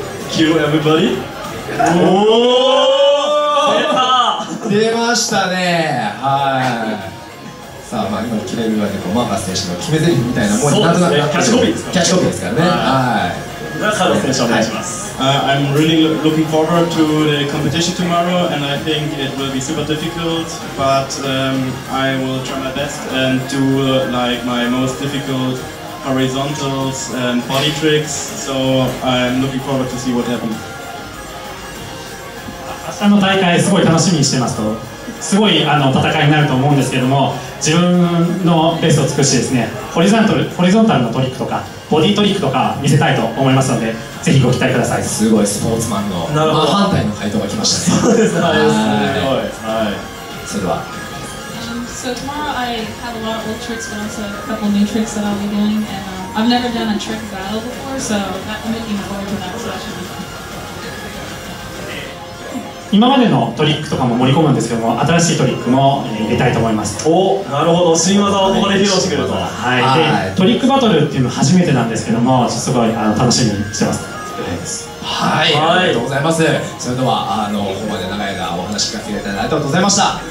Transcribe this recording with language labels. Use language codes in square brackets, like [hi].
[en] Kill everybody。 [ja] おー、出ましたね。はい。さあ、まあ今キレるわけでマーカス選手の決め台詞みたいなもんになってキャッチコピーですか、キャッチコピーですからね。はい、じゃあカード選手お願いします。 [en] I'm really looking forward to the competition tomorrow and I think it will be super difficult, but I will try my best and do like my most difficult horizontals and body tricks, so I'm looking forward to see what happens. [ja] 明日の大会すごい楽しみにしてますと、すごい戦いになると思うんですけども、自分のベストを尽くしてですね、ホリゾンタルのトリックとかボディトリックとか見せたいと思いますので、ぜひご期待ください。すごいスポーツマンの反対の回答が来ましたね。そうですね。すごい。はい。それは。 [en] So tomorrow I have a lot of old tricks, but also a couple new tricks that I'll be doing. And I've never done a trick battle before, so I'm looking forward to that session. [ja] 今までのトリックとかも盛り込むんですけども、新しいトリックも入れたいと思います。お、なるほど、新技をここで披露してくれた。はい、で、トリックバトルっていうの初めてなんですけども、すごい楽しみにしてます。はい、はい、ありがとうございます。それではここまで長い間お話しかけていただいてありがとうございました。